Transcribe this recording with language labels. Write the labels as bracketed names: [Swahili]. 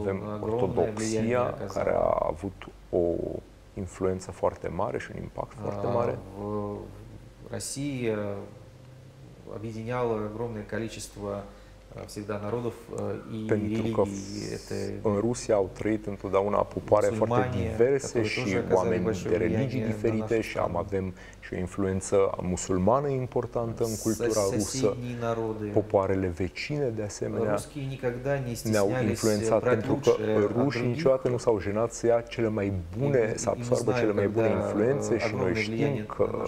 [Romanian] avem ortodoxia care a avut o influență foarte mare și un impact foarte mare. [Russian] Rusia объединяла огромное количество всегда народов и религий. [Romanian] În Rusia au trăit întotdeauna popoare foarte diverse și oameni de religii diferite și avem și o influență musulmană importantă în cultura rusă. Popoarele vecine de asemenea ne-au influențat pentru că rușii niciodată nu s-au jenat să ia cele mai bune, să absorbă cele mai bune influențe și noi știm că